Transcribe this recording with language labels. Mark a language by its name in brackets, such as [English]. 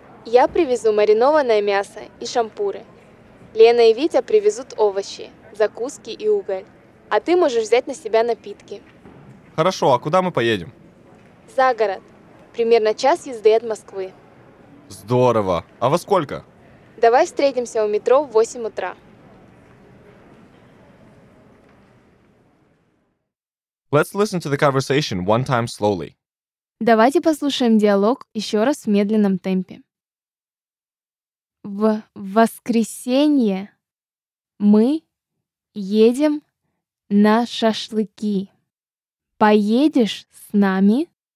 [Russian] Я привезу маринованное мясо и шампуры. Лена и Витя привезут овощи, закуски и уголь. А ты можешь взять на себя напитки. Хорошо, а куда мы поедем? За город. Примерно час езды от Москвы. Здорово. А во сколько? Давай встретимся у метро в 8 утра. [English] Let's listen to the conversation one time slowly. [Russian] Давайте послушаем диалог еще раз в медленном темпе. В воскресенье мы едем на шашлыки. Поедешь с нами?